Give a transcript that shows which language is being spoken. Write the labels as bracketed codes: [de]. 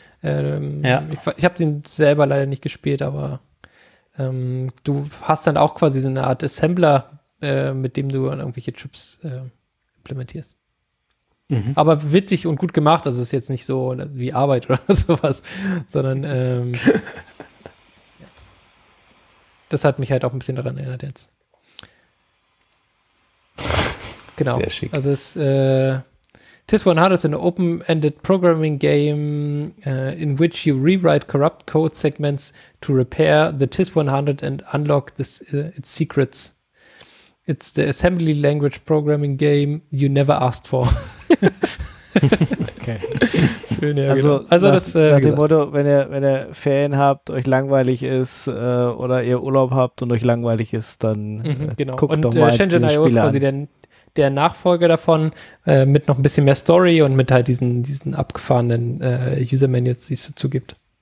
[de] Ich habe den selber leider nicht gespielt, aber du hast dann auch quasi so eine Art Assembler, mit dem du irgendwelche Chips implementierst. Mhm. Aber witzig und gut gemacht, also ist jetzt nicht so wie Arbeit oder sowas, sondern das hat mich halt auch ein bisschen daran erinnert jetzt. Genau. Sehr schick. Also es [en] TIS 100 is an open-ended programming game in which you rewrite corrupt code segments to repair the TIS 100 and unlock this, its secrets. It's the assembly language programming game you never asked for. [de] Okay. Also das, nach dem Motto, wenn ihr Ferien habt, euch langweilig ist oder ihr Urlaub habt und euch langweilig ist, dann guckt und, doch mal jetzt dieses Spiel an. Und Shenzhen.io ist quasi der Nachfolger davon, mit noch ein bisschen mehr Story und mit halt diesen abgefahrenen User-Menüs, die es dazu gibt.